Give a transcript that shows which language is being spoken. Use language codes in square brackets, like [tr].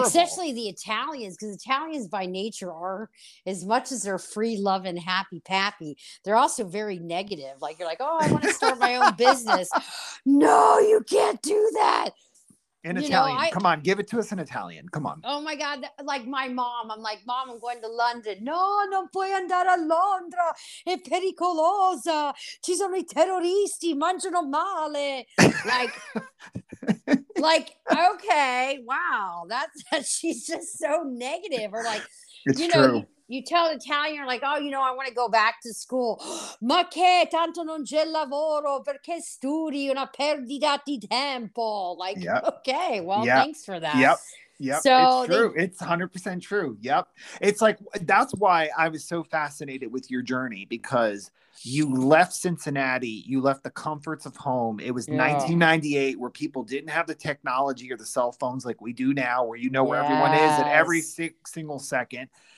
[en] But especially the Italians, because Italians by nature are, as much as they're free, loving, happy, pappy, they're also very negative. Like, you're like, oh, I want to start my own business. No, you can't do that. In Italian. You know, come on, give it to us in Italian. Come on. Oh my God. Like, my mom. I'm like, Mom, I'm going to London. [it] No, non puoi andare a Londra. È pericolosa. Ci sono I terroristi. Mangiano male. [en] Like, like, okay. Wow. That's she's just so negative. Or like, it's, you know, true. You tell an Italian, you're like, oh, you know, I want to go back to school. [it] Ma che tanto non c'è lavoro, perché studi una perdita di tempo? [en] Like, okay, well, thanks for that. Yep. So it's true. It's 100% true. Yep. It's like, that's why I was so fascinated with your journey, because you left Cincinnati. You left the comforts of home. It was 1998, where people didn't have the technology or the cell phones like we do now, where you know where everyone is at every single second.